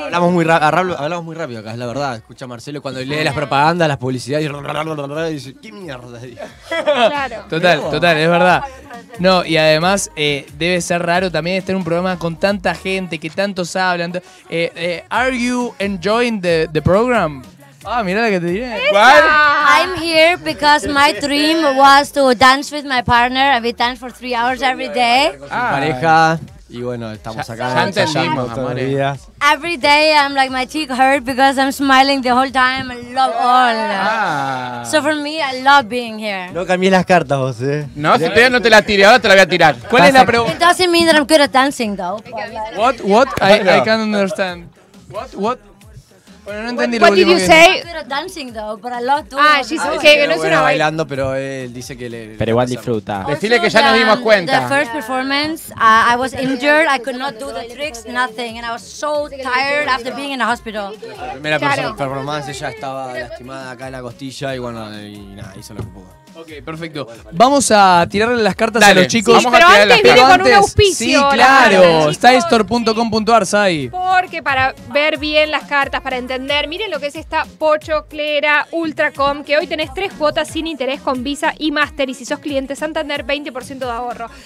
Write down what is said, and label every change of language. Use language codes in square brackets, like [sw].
[es] Hablamos muy rápido acá, es la verdad. Escucha a Marcelo cuando lee las propagandas, las publicidades y dice, ¿qué mierda? Claro. Total, es verdad. No, y además debe ser raro también estar en un programa con tanta gente que tantos hablan. [en] Are you enjoying the program? Ah, [es] mira la que te diré. ¿Cuál? [en] I'm here because my dream was to dance with my partner and we dance for 3 hours every day. [es] Pareja. Y bueno, estamos acá. Ya entendimos, amor. [en] Every day I'm like my cheek hurt because I'm smiling the whole time. I love all. So for me, I love being here. [es] No cambié las cartas, vos, ¿eh? No, si todavía no te la tiré, ahora te la voy a tirar. ¿Cuál es la pregunta? [en] It doesn't mean that I'm good at dancing, though. What? I can't understand. What? [es] Bueno, no entendí lo último. [en] What did you say? [es] Ah, [en] she's okay, [es] que no es una bailando, pero él dice que le... Pero igual disfruta. Decile que ya nos dimos cuenta. [en] The first performance, I was injured, I could not do the tricks, nothing. And I was so tired after being in the hospital. [es] La primera performance, ella estaba lastimada acá en la costilla y bueno, y nada, hizo lo que pudo. Ok, perfecto. Vamos a tirarle las cartas. Dale, a los chicos. Sí, pero antes viene con un auspicio. Sí, claro. StyleStore.com.ar, Sai. Porque para ver bien las cartas, para entender, miren lo que es esta Pochoclera Ultracom, que hoy tenés 3 cuotas sin interés con Visa y Master. Y si sos cliente Santander, 20% de ahorro.